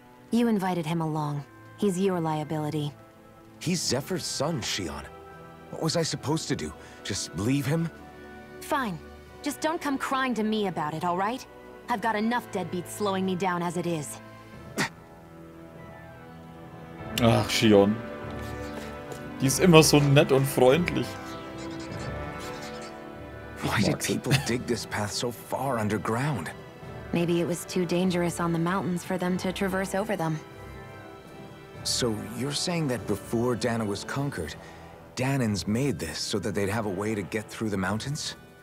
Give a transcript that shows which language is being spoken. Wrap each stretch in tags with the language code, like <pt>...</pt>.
<en>You invited him along. He's your liability. He's Zephyr's son, Shion. What was I supposed to do? Just leave him? Fine. Just don't come crying to me about it, all right? I've got enough deadbeats slowing me down as it is.</en> <de>Ach, Shion. Die ist immer so nett und freundlich.</de> <en>Why did people dig this path so far underground? Maybe it was too dangerous on the mountains for them to traverse over them. So you're saying that before Danna was conquered, Danans made this so that they'd have a way to get through the mountains?</en>